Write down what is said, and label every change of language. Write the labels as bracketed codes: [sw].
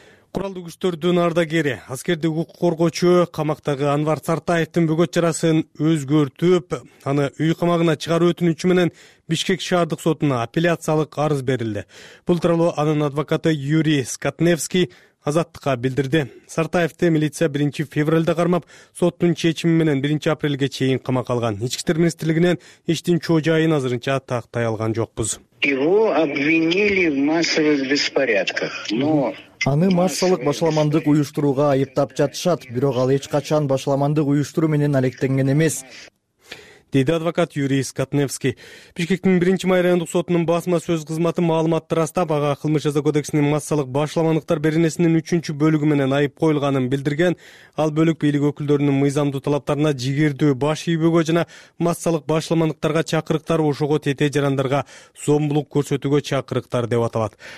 [ky] Куралдуу күчтөрдүн ардагери, аскердик укук коргоочу камактагы Анвар Сартаевдин бөгөт чарасын өзгөртүп, аны үй камагына чыгаруу өтүнүчү менен Бишкек шаардык сотуна апелляциялык арыз берилди. Бул тууралуу анын адвокаты Юрий Скотневский Азаттыкка билдирди. Сартаевди милиция 1-февралда кармап, соттун чечими менен 1-апрелге чейин камак алган. Ички иштер министрлигинен иштин чоо жайын азырынча тактай алган жокпуз. [ru] Его обвинили в массовых беспорядках, но [ky] аны массалык башаламандык уюштурууга айыптап жатышат, бирок ал эч качан башаламандык уюштуруу менен алектенген эмес, деди адвокат Юрий Скотневский. Бишкектин 1-май райондук сотунун басма сөз кызматы маалыматты ырастап, ага кылмыш жаза кодексинин массалык башаламандыктар беренесинин 3-бөлүгү менен айып коюлганын билдирген. Ал бөлүк бийлик өкүлдөрүнүн мыйзамдуу талаптарына жигердүү баш ийбөөгө жана массалык башаламандыктарга чакырыктар, ошого тете жарандарга зомбулук көрсөтүүгө чакырыктар деп аталат.